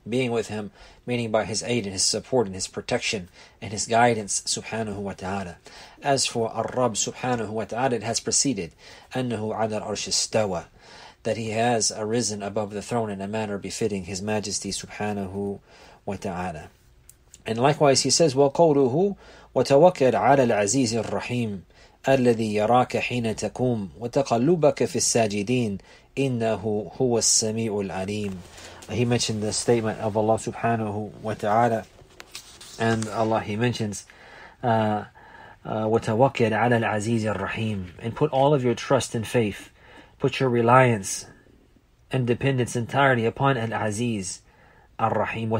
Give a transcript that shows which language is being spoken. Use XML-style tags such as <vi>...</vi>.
<en>Being with him, meaning by His aid and His support and His protection and His guidance, subhanahu wa ta'ala. As for Ar-Rabb subhanahu wa ta'ala, it has preceded,</en> <ar>أَنَّهُ عَلَى الْأَرْشِ اسْتَوَى,</ar> <en>that He has arisen above the throne in a manner befitting His Majesty subhanahu wa ta'ala. And likewise He says,</en> <ar>وَقَوْلُهُ وَتَوَكَّلْ عَلَى الْعَزِيزِ الرَّحِيمِ الذي يراك حين تقوم وتقلبك في الساجدين إنه هو السميع العليم.</ar> <en>He mentioned the statement of Allah subhanahu wa ta'ala, and Allah, He mentions</en> <ar>وتوكل على العزيز الرحيم,</ar> <en>and put all of your trust and faith, put your reliance and dependence entirely upon العزيز الرحيم.</en>